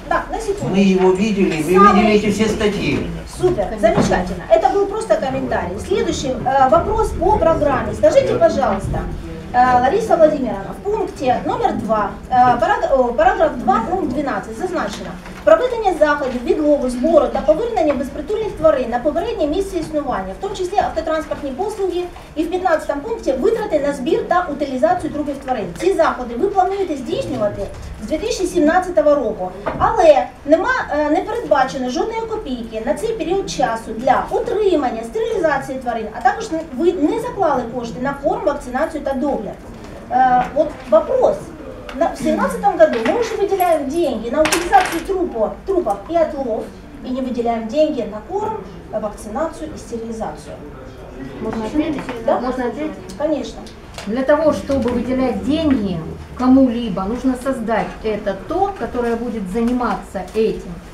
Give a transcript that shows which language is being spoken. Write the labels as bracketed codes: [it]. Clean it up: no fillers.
[ru] Да, на секунду. Мы его видели, вы видели эти все статьи. Супер, замечательно. Это был просто комментарий. Следующий вопрос по программе. Скажите, пожалуйста, Лариса Владимировна, в пункте номер 2, параграф 2, пункт 12, зазначено. [uk] Проведення заходів, відлову, збору та повернення безпритульних тварин на попереднє місце існування, в тому числі автотранспортні послуги, і в 15 пункті витрати на збір та утилізацію трупів тварин. Ці заходи ви плануєте здійснювати з 2017 року, але не передбачено жодної копійки на цей період часу для утримання, стерилізації тварин, а також ви не заклали кошти на форм, вакцинацію та догляд. [ru] От вопрос. В 2017 году мы уже выделяем деньги на утилизацию трупов и отлов, и не выделяем деньги на корм, вакцинацию и стерилизацию. Можно ответить? Да? Можно ответить? Конечно. Для того, чтобы выделять деньги кому-либо, нужно создать это то, которое будет заниматься этим.